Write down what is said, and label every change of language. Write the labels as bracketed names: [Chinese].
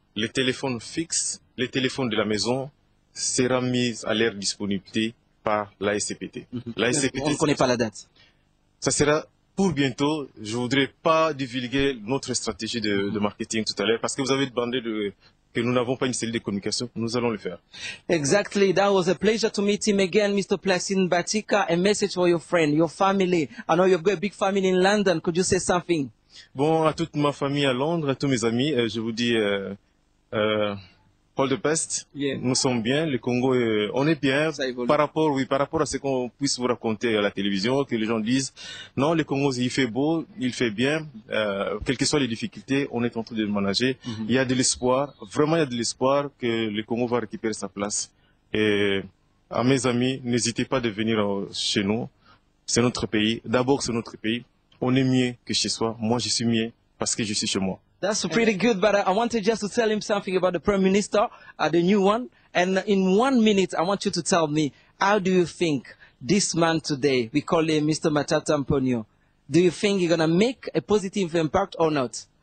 [French] Les téléphones fixes, les téléphones de la maison seront mis à leur disponibilité par la SCPT. On ne connaît pas la date. Ça sera pour bientôt. Je ne voudrais pas divulguer notre stratégie de marketing tout à l'heure parce que vous avez demandé de. Que nous n'avons pas une cellule de communication, nous allons le faire. [English] Exactly, that was a pleasure to meet him again, Mr. Placine Batika. A message for your friend, your family. I know you've got a big family in London. Could you say something? [French] Bon, à toute ma famille à Londres, à tous mes amis, je vous dis [English] all the best. Yeah. [French] Nous sommes bien, le Congo, on est bien. Par rapport à ce qu'on puisse vous raconter à la télévision, que les gens disent, non, le Congo, il fait beau, il fait bien. Quelles que soient les difficultés, on est en train de manager. Mm-hmm. Il y a de l'espoir, vraiment il y a de l'espoir que le Congo va récupérer sa place. Et à mes amis, n'hésitez pas de venir chez nous. C'est notre pays. D'abord, c'est notre pays. On est mieux que chez soi. Moi, je suis mieux parce que je suis chez moi. [English] That's pretty good, but I wanted just to tell him something about the Prime Minister, the new one. And in 1 minute, I want you to tell me, how do you think this man today, we call him Mr. Matata Mponyo, do you think he's going to make a positive impact or not?